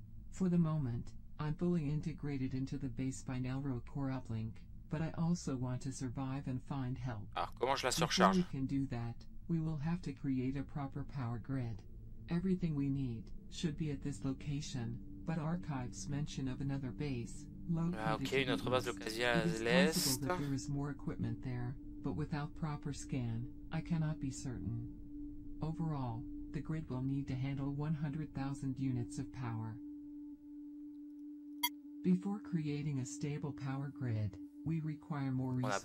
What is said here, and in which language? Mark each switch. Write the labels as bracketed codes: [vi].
[en] For the moment, I'm fully integrated into the base by Nelro Core uplink, but I also want to survive and find help. [fr] Alors, comment je la surcharge? [en] Before we can do that, we will have to create a proper power grid. Everything we need should be at this location, but archives mention of another base. [fr] Ah, ok, une autre base locale à l'est. [en] There is more equipment there, but without proper scan, I cannot be certain. Overall, the grid will need to handle 100,000 units of power. Before creating a stable power grid, we require more resources.